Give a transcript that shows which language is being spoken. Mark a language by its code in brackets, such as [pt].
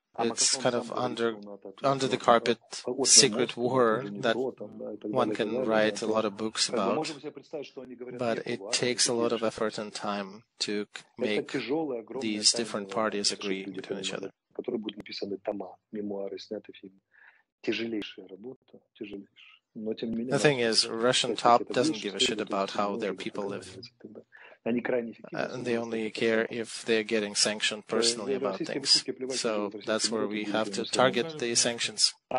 [en] It's kind of under the carpet secret war that one can write a lot of books about, but it takes a lot of effort and time to make these different parties agree between each other. [ru] которой будут написаны тома, мемуары, сняты фильмы. Тяжелейшая работа, тяжелейшая. [en] The thing is, Russian top doesn't give a shit about how their people live. They only care if they're getting sanctioned personally about things. So that's where we have to target the sanctions.